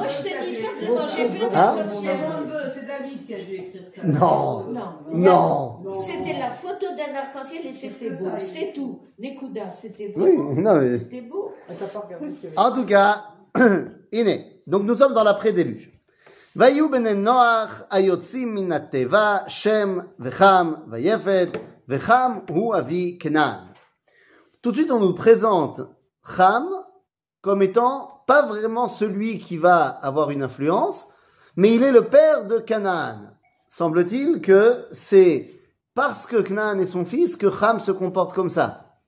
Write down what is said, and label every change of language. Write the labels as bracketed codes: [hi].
[fr] Moi, je t'ai dit ça quand j'ai vu l'arc-en-ciel. C'est David qui a dû écrire ça. Non. C'était la photo d'un arc-en-ciel et c'était beau. C'est tout. Nekouda, c'était beau. Oui, non, mais... C'était beau. En tout cas, iné. Donc, nous sommes dans l'après-déluge. [he] ויהיו בני נוח היוצאים מן הטבע שם וחם ויפת וחם הוא אבי כנען. [fr] Tout de suite on nous présente Ham comme étant pas vraiment celui qui va avoir une influence, mais il est le père de Canaan. Semble-t-il que c'est parce que Canaan est son fils que Ham se comporte comme ça.